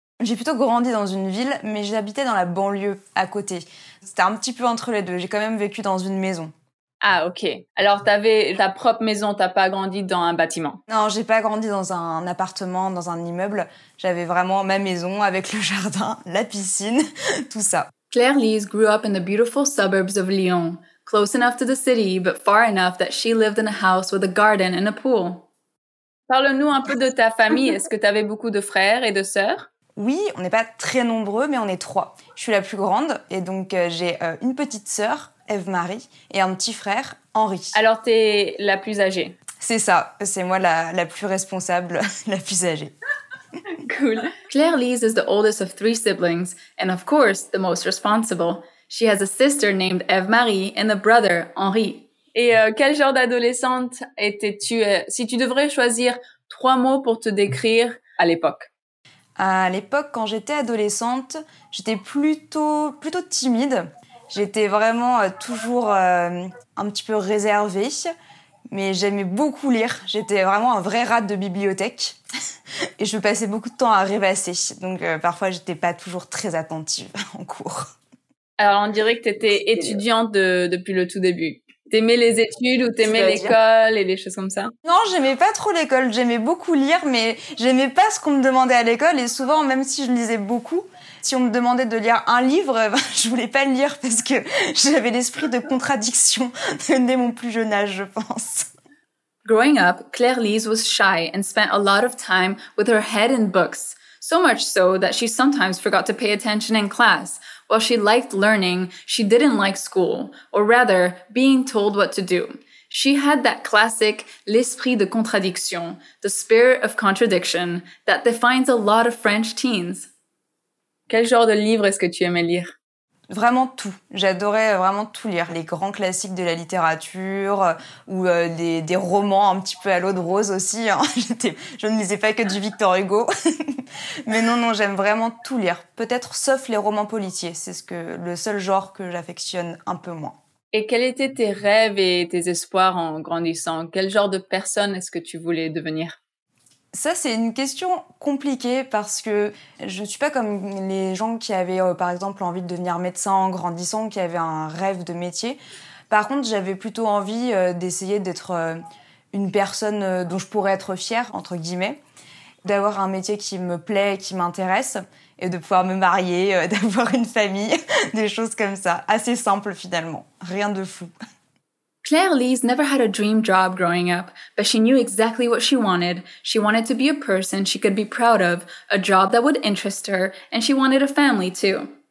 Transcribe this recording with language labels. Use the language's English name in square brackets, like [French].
[French] J'ai plutôt grandi dans une ville, mais j'habitais dans la banlieue à côté. C'était un petit peu entre les deux, j'ai quand même vécu dans une maison. Ah ok, alors t'avais ta propre maison, t'as pas grandi dans un bâtiment? Non, j'ai pas grandi dans un appartement, dans un immeuble. J'avais vraiment ma maison avec le jardin, la piscine, tout ça. [English] Claire-Lise grew up in the beautiful suburbs of Lyon, close enough to the city, but far enough that she lived in a house with a garden and a pool. [French] Parle-nous un peu de ta famille, est-ce que t'avais beaucoup de frères et de sœurs? Oui, on n'est pas très nombreux, mais on est trois. Je suis la plus grande, et donc j'ai une petite sœur, Ève-Marie, et un petit frère, Henri. Alors, t'es la plus âgée? C'est ça, c'est moi la plus responsable, la plus âgée. Cool. [English] Claire-Lise is the oldest of three siblings, and of course, the most responsible. She has a sister named Ève-Marie and a brother, Henri. [French] Et quel genre d'adolescente étais-tu, si tu devrais choisir trois mots pour te décrire à l'époque? À l'époque, quand j'étais adolescente, j'étais plutôt timide. J'étais vraiment toujours un petit peu réservée, mais j'aimais beaucoup lire. J'étais vraiment un vrai rat de bibliothèque et je passais beaucoup de temps à rêvasser. Donc parfois, j'étais pas toujours très attentive en cours. Alors, on dirait que t'étais étudiante depuis le tout début. T'aimais les études ou t'aimais l'école et les choses comme ça? Non, j'aimais pas trop l'école. J'aimais beaucoup lire, mais j'aimais pas ce qu'on me demandait à l'école. Et souvent, même si je lisais beaucoup, si on me demandait de lire un livre, je voulais pas le lire parce que j'avais l'esprit de contradiction dès mon plus jeune âge, je pense. [English] Growing up, Claire-Lise was shy and spent a lot of time with her head in books. So much so that she sometimes forgot to pay attention in class. While she liked learning, she didn't like school, or rather, being told what to do. She had that classic [French] l'esprit de contradiction, [English] the spirit of contradiction, that defines a lot of French teens. [French] Quel genre de livre est-ce que tu aimais lire? Vraiment tout. J'adorais vraiment tout lire. Les grands classiques de la littérature, ou des romans un petit peu à l'eau de rose aussi. Hein. Je ne lisais pas que du Victor Hugo. Mais non, j'aime vraiment tout lire. Peut-être sauf les romans policiers. C'est le seul genre que j'affectionne un peu moins. Et quels étaient tes rêves et tes espoirs en grandissant? Quel genre de personne est-ce que tu voulais devenir? Ça, c'est une question compliquée parce que je ne suis pas comme les gens qui avaient, par exemple, envie de devenir médecin en grandissant, qui avaient un rêve de métier. Par contre, j'avais plutôt envie d'essayer d'être une personne dont je pourrais être fière, entre guillemets, d'avoir un métier qui me plaît, qui m'intéresse, et de pouvoir me marier, d'avoir une famille, des choses comme ça. Assez simple, finalement. Rien de fou. [English] Claire-Lise never had a dream job growing up, but she knew exactly what she wanted. She wanted to be a person she could be proud of, a job that would interest her, and she wanted a family too.